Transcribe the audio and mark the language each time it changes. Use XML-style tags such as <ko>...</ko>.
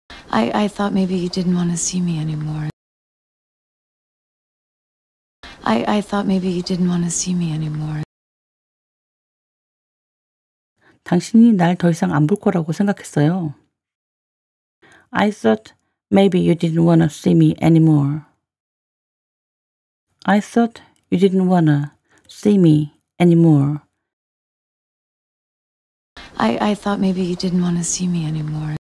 <en>I thought maybe you didn't want to see me anymore. I thought maybe you didn't want to see me anymore.</en> <ko>당신이 날 더 이상 안 볼 거라고 생각했어요.</ko> <en>I thought maybe you didn't want to see me anymore. I thought you didn't want to see me anymore. I thought maybe you didn't want to see me anymore.</en>